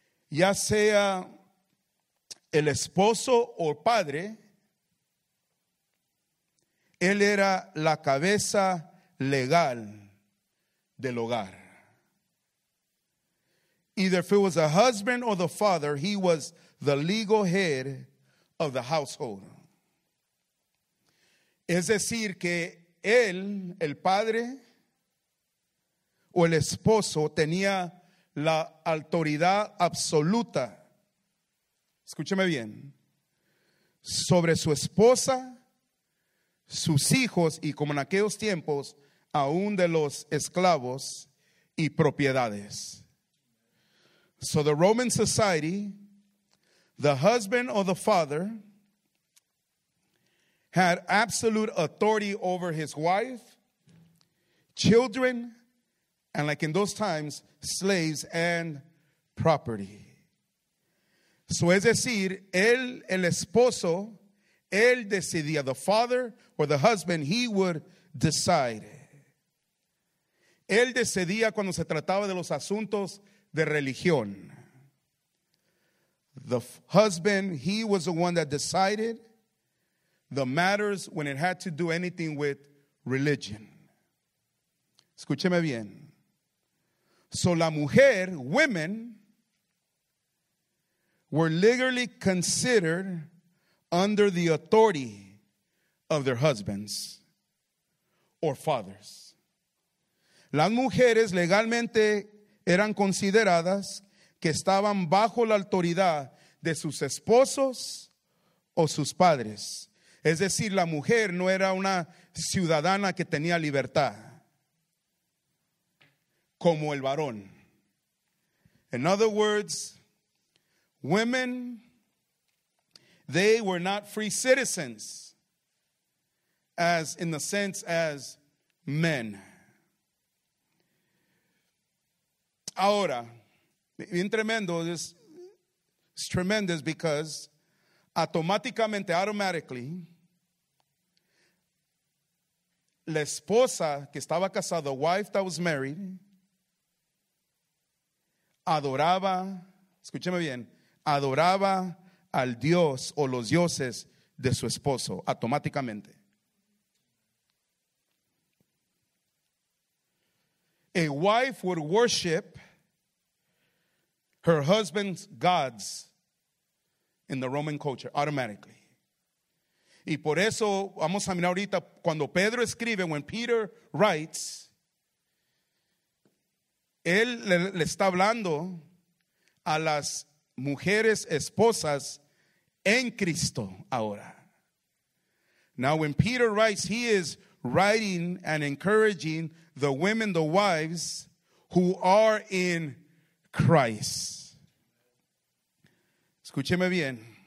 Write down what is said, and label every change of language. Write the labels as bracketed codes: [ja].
[es] Ya sea el esposo o padre, él era la cabeza legal del hogar. [en] Either if it was a husband or the father, he was the legal head of the household. [es] Es decir, que él, el padre, o el esposo, tenía la autoridad absoluta, escúcheme bien, sobre su esposa, sus hijos, y como en aquellos tiempos, aún de los esclavos y propiedades. [en] So the Roman society, The husband or the father had absolute authority over his wife, children, and like in those times, slaves and property. So [es] es decir, el esposo, él decidía, [en] the father or the husband, he would decide. [es] Él decidía cuando se trataba de los asuntos de religión. [en] The husband, he was the one that decided the matters when it had to do anything with religion. [es] Escúcheme bien. [en] So [es] la mujer, [en] women, were legally considered under the authority of their husbands or fathers. [es] Las mujeres legalmente eran consideradas que estaban bajo la autoridad de sus esposos o sus padres. Es decir, la mujer no era una ciudadana que tenía libertad como el varón. [en] In other words, women, they were not free citizens as in the sense as men. [es] Ahora, bien tremendo, [en] it's tremendous because automatically, [es] la esposa que estaba casada, [en] the wife that was married, [es] adoraba, escúcheme bien, adoraba al Dios o los dioses de su esposo, automáticamente. [en] A wife would worship her husband's gods in the Roman culture, automatically. [es] Y por eso, vamos a mirar ahorita, cuando Pedro escribe, [en] when Peter writes, [es] él le está hablando a las mujeres esposas en Cristo ahora. [en] Now, when Peter writes, he is writing and encouraging the women, the wives, who are in Christ. [es] Escúcheme bien.